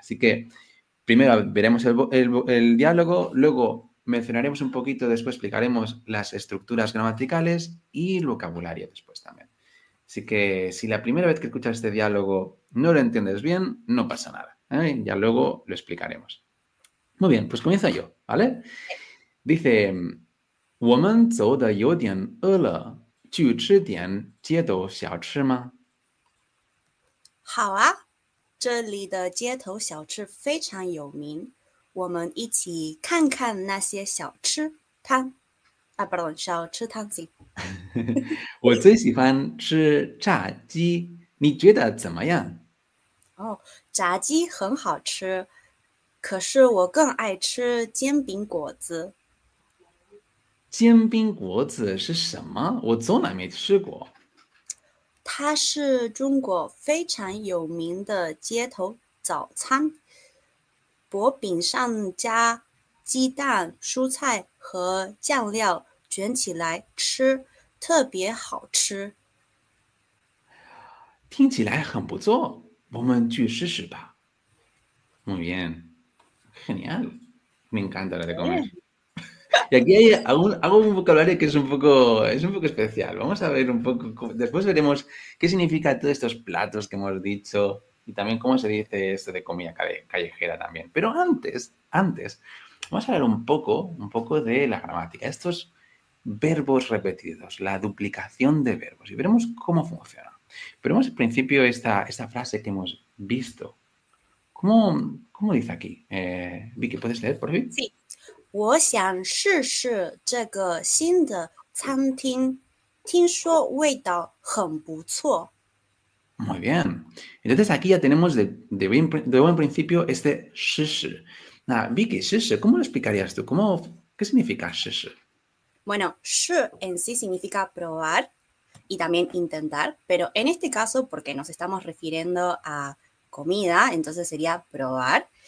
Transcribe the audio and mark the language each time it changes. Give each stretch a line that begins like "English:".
Spanish: Así que, primero veremos el diálogo, luego mencionaremos un poquito, después explicaremos las estructuras gramaticales y el vocabulario después también. Así que, si la primera vez que escuchas este diálogo no lo entiendes bien, no pasa nada, ¿eh? Ya luego lo explicaremos. Muy bien, pues comienzo yo, ¿vale?
Chinese: Dice, 我们走得有点饿了。去吃点街头小吃吗？好啊，这里的街头小吃非常有名，我们一起看看那些小吃摊。啊，不懂，小吃摊行。我最喜欢吃炸鸡，你觉得怎么样？哦，炸鸡很好吃，可是我更爱吃煎饼果子。煎饼果子是什么？我从来没吃过。它是中国非常有名的街头早餐，薄饼上加鸡蛋、蔬菜和酱料卷起来吃，特别好吃。听起来很不错，我们去试试吧。
Spanish: Muy bien, genial, me encanta la de comer. Y aquí hay algún vocabulario que es un poco especial. Vamos a ver un poco, después veremos qué significa todos estos platos que hemos dicho y también cómo se dice esto de comida callejera también. Pero antes, vamos a ver un poco de la gramática. Estos verbos repetidos, la duplicación de verbos, y veremos cómo funciona. Pero vamos al principio esta frase que hemos visto. ¿Cómo dice aquí? Vicky, ¿puedes leer por fin? Sí.
Chinese: 我想试试这个新的餐厅，听说味道很不错。
Spanish: Muy bien. Entonces aquí ya tenemos de buen principio este 试试. Na, vi que shishi, ¿cómo lo explicarías tú? ¿Qué significa shishi? Bueno, shi en sí significa probar y también intentar, pero en este caso, porque nos estamos refiriendo a comida, entonces sería probar.